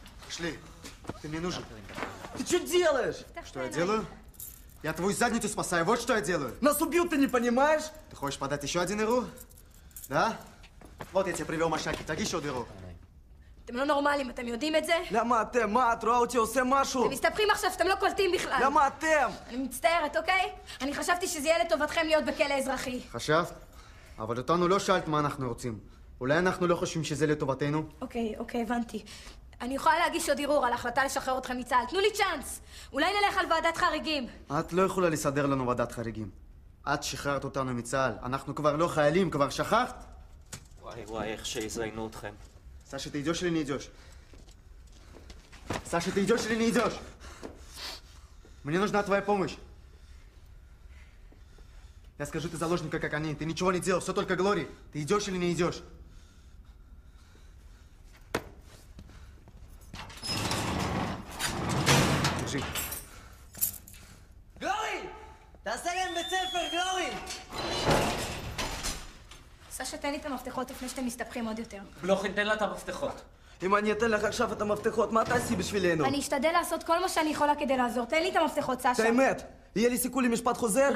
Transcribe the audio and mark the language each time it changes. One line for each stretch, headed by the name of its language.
Russian: שלי, ты мне нужен. Ты что делаешь? Что я делаю? Я твою задницу спасаю, вот что я делаю. Нас убил, ты не понимаешь? Ты хочешь подать еще один ИРУ? Да? Вот я тебе привел машаки, так еще дыру.
Hebrew: אתם לא נורמליים, אתם יודעים את זה? למה אתם? מה, את רואה אותי עושה משהו? אתם מסתבכים עכשיו, אתם לא קולטים בכלל. למה אתם? אני מצטערת, אוקיי? אני חשבתי שזה יהיה לטובתכם להיות בכלא אזרחי. חשבת? אבל אותנו לא שאלת מה אנחנו רוצים. אולי אנחנו לא חושבים שזה לטובתנו? אוקיי, אוקיי, הבנתי. אני יכולה להגיש עוד ערעור על ההחלטה לשחרר אתכם מצה"ל. תנו לי צ'אנס. אולי נלך על ועדת חריגים. את לא יכולה לסדר לנו ועדת חריגים. את שחררת אותנו מצה"ל. אנחנו כבר לא חיילים, כבר שכחת? וואי, וואי, איך שיזיינו אתכם.
Russian: Саша, ты идёшь или не идёшь? Саша, ты идёшь или не идёшь? Мне нужна твоя помощь. Я скажу, ты заложник, как они. Ты ничего не делал, всё только Глори. Ты идёшь или не идёшь? Держи. Глори! Ты оставил им в цифр, Глори!
Hebrew: סשה, תן לי את המפתחות לפני שאתם מסתבכים עוד יותר. בלוכין, תן לה את המפתחות. אם אני אתן לך עכשיו את המפתחות, מה תעשי בשבילנו? אני אשתדל לעשות כל מה שאני יכולה כדי לעזור. תן לי את המפתחות, סשה. באמת, יהיה לי סיכוי למשפט חוזר?